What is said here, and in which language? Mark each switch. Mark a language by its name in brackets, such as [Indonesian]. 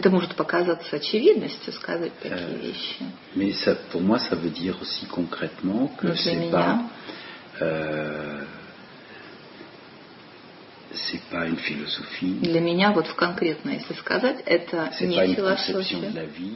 [Russian] Это может показаться очевидностью сказать такие вещи. [French] Mais ça, pour moi, ça veut dire aussi concrètement que c'est pas une philosophie. [Russian] Для меня вот в конкретно, если сказать, это не философия.